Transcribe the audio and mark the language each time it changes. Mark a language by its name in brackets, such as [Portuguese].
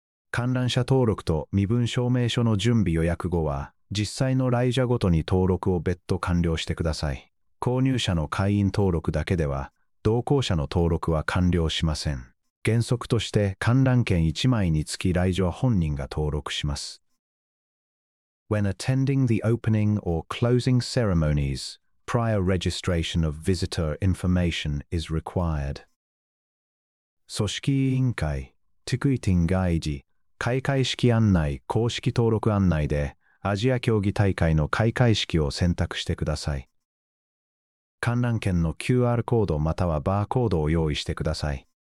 [Japanese] 観覧者登録と身分証明書の準備予約後は、実際の来者ごとに登録を別途完了してください。購入者の会員登録だけでは、同行者の登録は完了しません。原則として観覧券1枚につき来場本人が登録します。 [English] When attending the opening or closing ceremonies, prior registration of visitor information is required. [Japanese] 組織委員会、Ticketing Guide、開会式案内、公式登録案内で、アジア競技大会の開会式を選択してください。観覧券の QR コードまたはバーコードを用意してください。